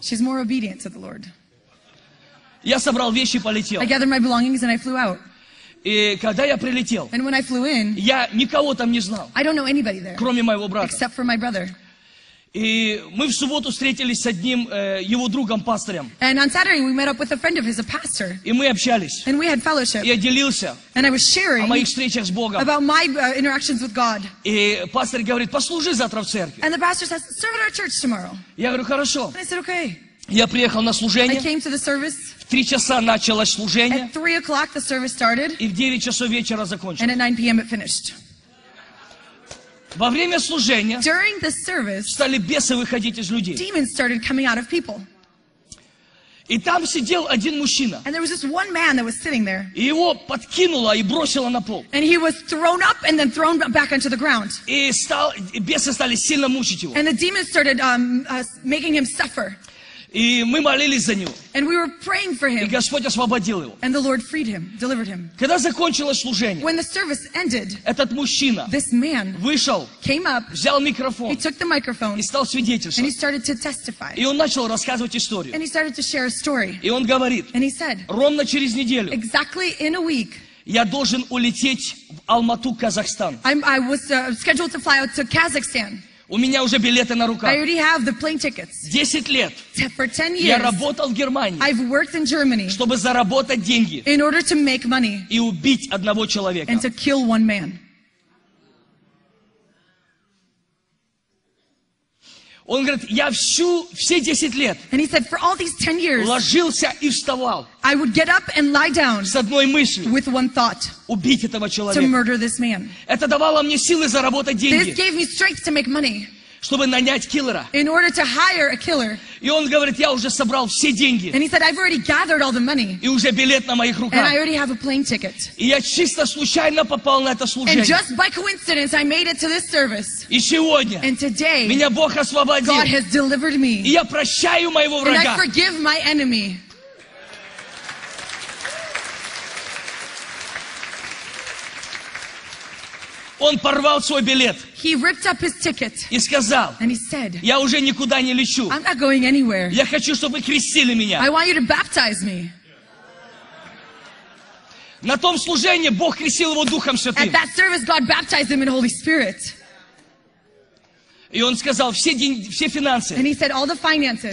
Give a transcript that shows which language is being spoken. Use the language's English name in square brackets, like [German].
[English] She's more obedient to the Lord. [Russian] Я собрал вещи и полетел. [English] I gathered my belongings and I flew out. [Russian] И когда я прилетел, [English] and when I flew in, [Russian] я никого там не знал. [English] I don't know anybody there. [Russian] Кроме моего брата. [English] Except for my brother. [Russian] И мы в субботу встретились с одним его другом, пастором. [English] And on Saturday we met up with a friend of his, a pastor. [Russian] И мы общались. [English] And we had fellowship. [Russian] И я делился. [English] And I was sharing [Russian] о моих встречах с Богом. [English] About my interactions with God. [Russian] И пастор говорит, послужи завтра в церкви. [English] And the pastor says, serve at our church tomorrow. [Russian] Я говорю, хорошо. [English] And I said, okay. [Russian] Я приехал на служение. [English] I came to the service. [Russian] В 3 часа началось служение. [English] At 3 o'clock the service started. [Russian] И в 9 часов вечера закончилось. [English] And at 9 p.m. it finished. [Russian] Во время служения [English] service, [Russian] стали бесы выходить из людей. [English] Demons started coming out of people. [Russian] И там сидел один мужчина. [English] And there was this one man that was sitting there. [Russian] И его подкинуло и бросило на пол. [English] And he was thrown up and then thrown back onto the ground. [Russian] И стал, и бесы стали сильно мучить его. [English] And the demons started making him suffer. [Russian] И мы молились за него. [English] And we were praying for him. [Russian] И Господь освободил его. [English] And the Lord freed him, delivered him. [Russian] Когда закончилось служение, [English] when the service ended, [Russian] этот мужчина, [English] this man, [Russian] вышел, [English] came up, [Russian] взял микрофон, [English] he took the microphone, [Russian] и стал свидетельствовать, [English] and he started to testify. [Russian] И он начал рассказывать историю. [English] And he started to share a story. [Russian] И он говорит, [English] and he said, [Russian] ровно через неделю, [English] exactly in a week, [Russian] я должен улететь в Алмату, Казахстан. [English] I was scheduled to fly out to Kazakhstan. [Russian] У меня уже билеты на руках. [English] I already have the plane tickets. [Russian] 10 лет. [English] For 10 years. [Russian] Я работал в Германии. [English] I've worked in Germany. [Russian] Чтобы заработать деньги. [English] In order to make money. [Russian] И убить одного человека. [English] And to kill one man. [Russian] Он говорит, я все 10 лет. [English] And he said, for all these 10 years. [Russian] Ложился и вставал. [English] I would get up and lie down. [Russian] С одной мыслью. [English] With one thought. [Russian] Убить этого человека. [English] To murder this man. [Russian] Это давало мне силы заработать деньги. [English] This gave me strength to make money. [Russian] Чтобы нанять киллера. [English] In order to hire a killer. [Russian] И он говорит, я уже собрал все деньги. [English] And he said, I've already gathered all the money. [Russian] И уже билет на моих руках. [English] And I already have a plane ticket. [Russian] И я чисто случайно попал на это служение. [English] And just by coincidence, I made it to this service. [Russian] И сегодня. [English] And today. [Russian] Меня Бог освободил. [English] God has delivered me. [Russian] И я прощаю моего врага. [English] And I forgive my enemy. [Russian] Он порвал свой билет. [English] He ripped up his ticket. [Russian] И сказал. [English] And he said. [Russian] Я уже никуда не лечу. [English] I'm not going anywhere. [Russian] Я хочу, чтобы вы крестили меня. [English] I want you to baptize me. [Russian] На том служении Бог крестил его Духом Святым. [English] At that service, God baptized him in Holy Spirit. [Russian] И он сказал, все финансы, [English] and he said, all the finances,